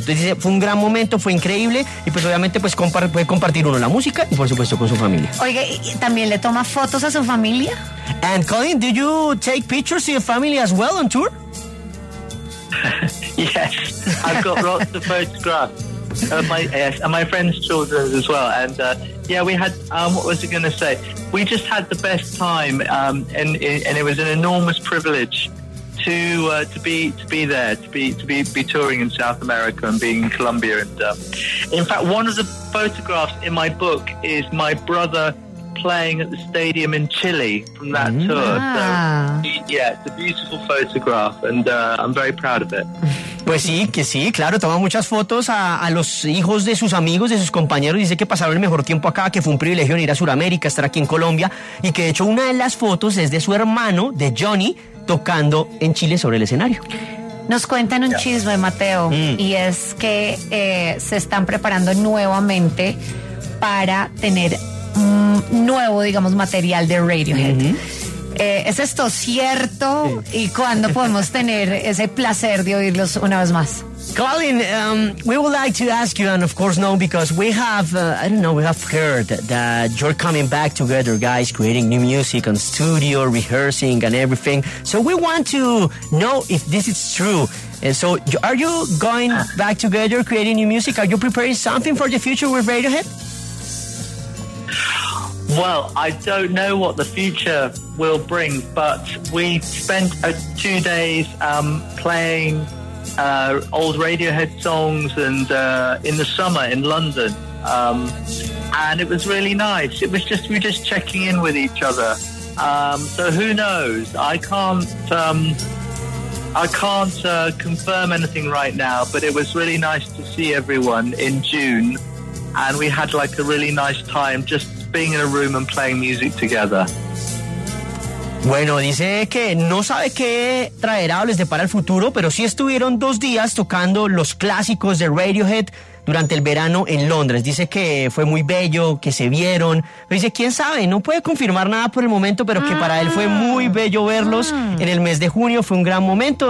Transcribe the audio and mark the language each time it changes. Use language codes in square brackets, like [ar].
[es] Entonces dice, fue un gran momento, fue increíble. Y pues obviamente pues puede compartir uno la música y por supuesto con su familia. Oye, ¿también le toma fotos a su familia? [en] And Colin, do you take pictures of your family as well on tour? Yes, I've got lots of photographs. My friend's children as well. And yeah, we had, what was I going to say? We just had the best time, and it was an enormous privilege to be touring in South America and being in Colombia. And in fact, one of the photographs in my book is my brother playing at the stadium in Chile from that tour. So, yeah, it's a beautiful photograph, and I'm very proud of it. [es] Pues sí, que sí, claro, toma muchas fotos a los hijos de sus amigos, de sus compañeros, dice que pasaron el mejor tiempo acá, que fue un privilegio ir a Sudamérica, estar aquí en Colombia, y que de hecho una de las fotos es de su hermano, de Johnny, tocando en Chile sobre el escenario. Nos cuentan un chisme, Mateo, y es que se están preparando nuevamente para tener nuevo, digamos, material de Radiohead. ¿Es esto cierto? Sí. ¿Y cuándo podemos tener ese placer de oírlos una vez más? [en] Colin, we would like to ask you, and of course, no, because we have, I don't know, we have heard that you're coming back together, guys, creating new music on studio, rehearsing and everything. So we want to know if this is true. And so are you going back together, creating new music? Are you preparing something for the future with Radiohead? Well, I don't know what the future will bring, but we spent 2 days playing old Radiohead songs and in the summer in London, and it was really nice. It was just, we were just checking in with each other. So who knows? I can't confirm anything right now, but it was really nice to see everyone in June, and we had like a really nice time just being in a room and playing music together. [es] Bueno, dice que no sabe qué traerá o les depara el futuro, pero sí estuvieron 2 días tocando los clásicos de Radiohead durante el verano en Londres. Dice que fue muy bello, que se vieron. Pero dice, quién sabe, no puede confirmar nada por el momento, pero que para él fue muy bello verlos en el mes de junio. Fue un gran momento.